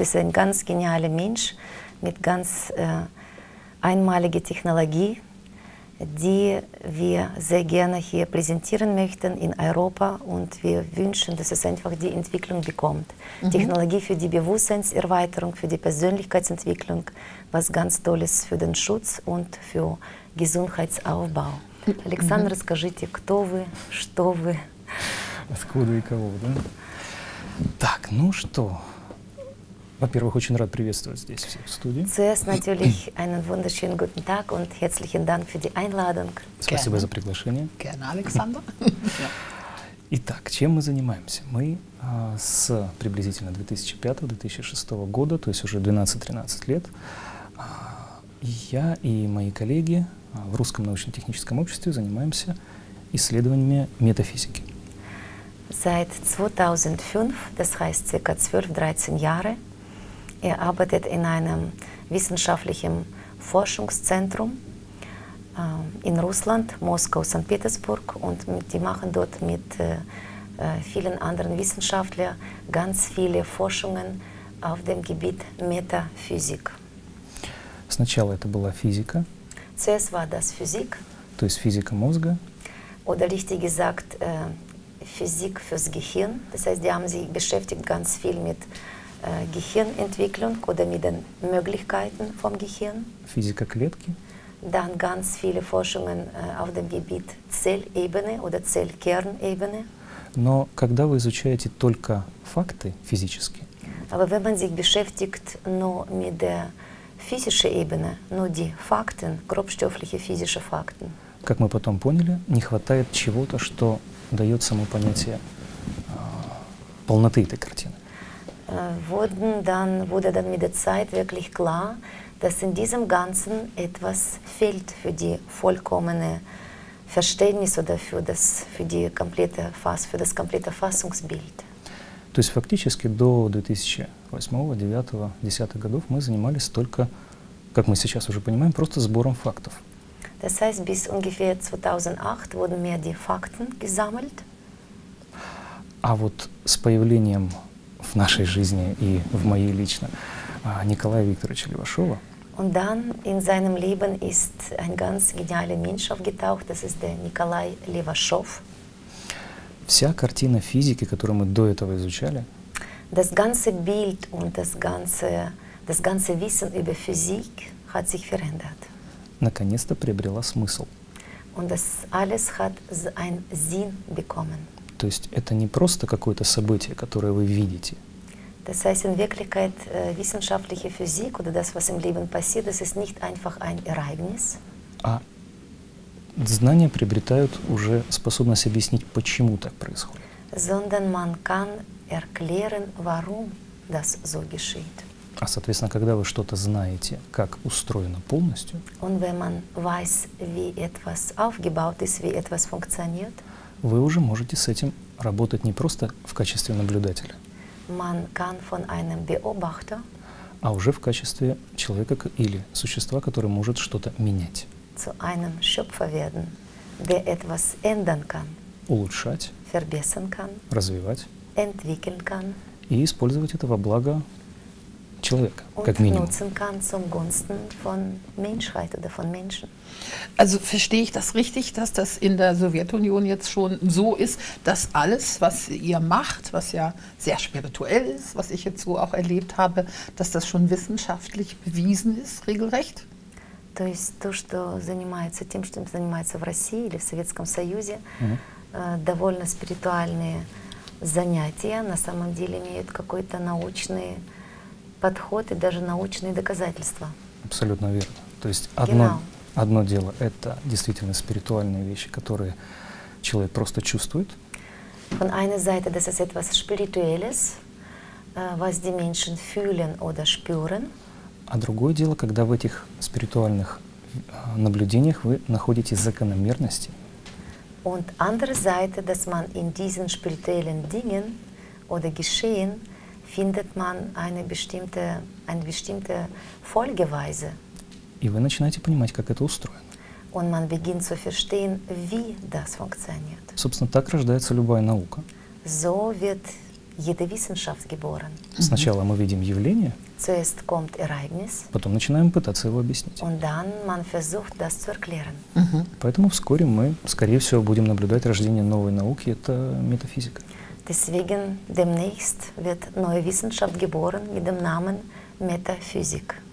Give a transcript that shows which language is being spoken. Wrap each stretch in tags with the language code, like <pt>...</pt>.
<de>Er ist ein ganz genialer Mensch mit ganz einmaliger Technologie, die wir sehr gerne hier präsentieren möchten in Europa. Und wir wünschen, dass es einfach die Entwicklung bekommt. Technologie für die Bewusstseinserweiterung, für die Persönlichkeitsentwicklung, was ganz Tolles für den Schutz und für Gesundheitsaufbau.</de> <ru>Alexander, скажите, кто вы, что вы? Откуда и кого, да? Так, ну что? Во-первых, очень рад приветствовать здесь всех в студии.</ru> <de>Zuerst natürlich einen wunderschönen guten Tag und herzlichen Dank für die Einladung.</de> <ru>Спасибо за приглашение.</ru> <de>Gerne, Alexander.</de> <ru>Итак, чем мы занимаемся? Мы с приблизительно 2005-2006 года, то есть уже 12-13 лет, я и мои коллеги в Русском научно-техническом обществе занимаемся исследованиями метафизики.</ru> <de>Seit 2005, das heißt ca. 12-13 Jahre, er arbeitet in einem wissenschaftlichen Forschungszentrum in Russland, Moskau, St. Petersburg. Und die machen dort mit vielen anderen Wissenschaftlern ganz viele Forschungen auf dem Gebiet Metaphysik.</de> <ru>Сначала это была физика.</ru> <de>Zuerst war das Physik.</de> <ru>То есть физика мозга.</ru> <de>Oder richtig gesagt, Physik fürs Gehirn. Das heißt, die haben sich beschäftigt ganz viel mit Gehirnentwicklung oder mit den Möglichkeiten vom Gehirn.</de> <ru>Physika klетки.</ru> <de>Dann ganz viele Forschungen auf dem Gebiet Zellebene oder Zellkernebene.</de> <ru>Но когда вы изучаете только факты физически,</ru> <de>aber wenn man sich beschäftigt nur mit der physischen Ebene, nur die Fakten, grobstoffliche physische Fakten,</de> <ru>как мы потом поняли, не хватает чего-то, что дает само понятие полноты этой картины.</ru> <de>Wurde dann mit der Zeit wirklich klar, dass in diesem Ganzen etwas fehlt für die vollkommene Verständnis oder für das komplette Fassungsbild.</de> <ru>То есть фактически до 2008, 2009, 2010 годов мы занимались только, как мы сейчас уже понимаем, просто сбором фактов.</ru> <de>Das heißt, bis ungefähr 2008 wurden mehr die Fakten gesammelt.</de> <ru>А вот с появлением в нашей жизни и в моей лично Николая Викторовича Левашова.</ru> <de>Und dann in seinem Leben ist ein ganz genialer Mensch aufgetaucht, das ist der Nikolai Levashov.</de> <ru>Вся картина физики, которую мы до этого изучали,</ru> <de>das ganze Bild und das ganze Wissen über Physik hat sich verändert.</de> <ru>Наконец-то приобрела смысл.</ru> <de>Und das alles hat einen Sinn bekommen.</de> <ru>То есть это не просто какое-то событие, которое вы видите.</ru> <de>Das heißt, in Wirklichkeit wissenschaftliche Physik oder das, was im Leben passiert, das ist nicht einfach ein Ereignis.</de> <ru>А знания приобретают уже способность объяснить, почему так происходит.</ru> <de>Sondern man kann erklären, warum das so geschieht.</de> <ru>А соответственно, когда вы что-то знаете, как устроено полностью,</ru> <de>und wenn man weiß, wie etwas aufgebaut ist, wie etwas funktioniert,</de> <ru>вы уже можете с этим работать не просто в качестве наблюдателя,</ru> <de>man kann von einem Beobachter,</de> <ru>а уже в качестве человека или существа, который может что-то менять,</ru> <de>zu einem Schöpfer werden, der etwas ändern kann,</de> <ru>улучшать,</ru> <de>verbessern kann,</de> <ru>развивать,</ru> <de>entwickeln kann,</de> <ru>и использовать это во благо человека,</ru> <de>und</de> <ru>как минимум.</ru> <de>Nutzen kann zum Gunsten von Menschheit oder von Menschen. Also verstehe ich das richtig, dass das in der Sowjetunion jetzt schon so ist, dass alles, was ihr macht, was ja sehr spirituell ist, was ich jetzt so auch erlebt habe, dass das schon wissenschaftlich bewiesen ist, regelrecht?</de> <ru>То есть то, что занимается тем, что занимается в России или в Советском Союзе, довольно спиритуальные занятия, на самом деле имеют какой-то научный подход и даже научные доказательства. Абсолютно верно. То есть одно дело — это действительно спиритуальные вещи, которые человек просто чувствует.</ru> <de>Von einer Seite, das ist etwas Spirituelles, was die Menschen fühlen oder spüren.</de> <ru>А другое дело, когда в этих спиритуальных наблюдениях вы находите закономерности.</ru> <de>Und andere Seite, dass man in diesen spirituellen Dingen oder Geschehen findet man eine bestimmte Folgeweise.</de> <ru>И вы начинаете понимать, как это устроено.</ru> <de>Und man beginnt zu verstehen, wie das funktioniert.</de> <ru>Собственно, так рождается любая наука.</ru> <de>So wird jede Wissenschaft geboren.</de> <ru>Сначала мы видим явление.</ru> <de>Zuerst kommt Ereignis.</de> <ru>Потом начинаем пытаться его объяснить.</ru> <de>Und dann man versucht, das zu erklären.</de> <ru>Поэтому вскоре мы, скорее всего, будем наблюдать рождение новой науки. Это метафизика.</ru> <de>Deswegen demnächst wird neue Wissenschaft geboren mit dem Namen Metaphysik.</de>